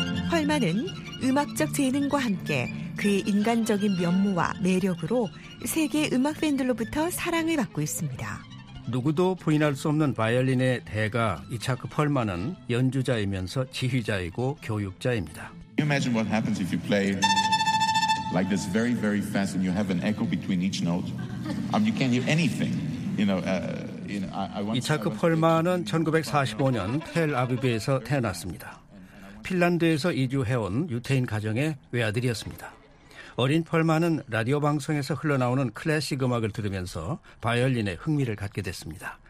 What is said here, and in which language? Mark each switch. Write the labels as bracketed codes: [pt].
[ko] 펄만은 음악적 재능과 함께 그의 인간적인 면모와 매력으로 세계 음악 팬들로부터 사랑을 받고 있습니다. 누구도 부인할 수 없는 바이올린의 대가 이차크 펄만은 연주자이면서 지휘자이고 교육자입니다. [en] Imagine what happens if you play like this very very fast and you have an echo between each note. You can't hear anything. You know, [ko] 이차크 펄만은 1945년 텔 아비브에서 태어났습니다. 핀란드에서 이주해온 유태인 가정의 외아들이었습니다. 어린 펄만은 라디오 방송에서 흘러나오는 클래식 음악을 들으면서 바이올린에 흥미를 갖게 됐습니다.